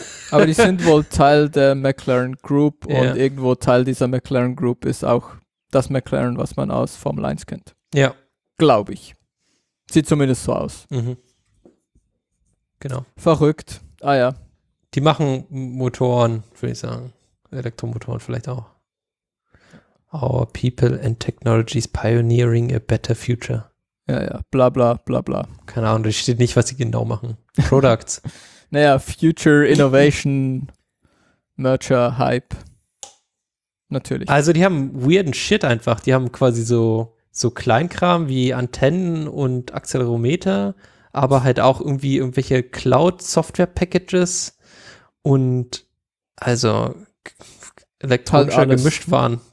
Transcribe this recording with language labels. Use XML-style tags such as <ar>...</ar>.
<de>Aber die sind wohl Teil der McLaren Group und irgendwo Teil dieser McLaren Group ist auch das McLaren, was man aus Formel 1 kennt. Ja. Glaube ich. Sieht zumindest so aus. Mhm. Genau. Verrückt. Ah ja. Die machen Motoren, würde ich sagen. Elektromotoren vielleicht auch.</de> <en>Our people and technologies pioneering a better future.</en> <de>Ja, ja. Bla, bla, bla, bla. Keine Ahnung, da steht nicht, was sie genau machen. Products. Naja, Future Innovation Merger Hype. Natürlich. Also die haben weirden Shit einfach. Die haben quasi so Kleinkram wie Antennen und Accelerometer, aber halt auch irgendwie irgendwelche Cloud-Software-Packages und also elektronischer Gemischtwaren.</de>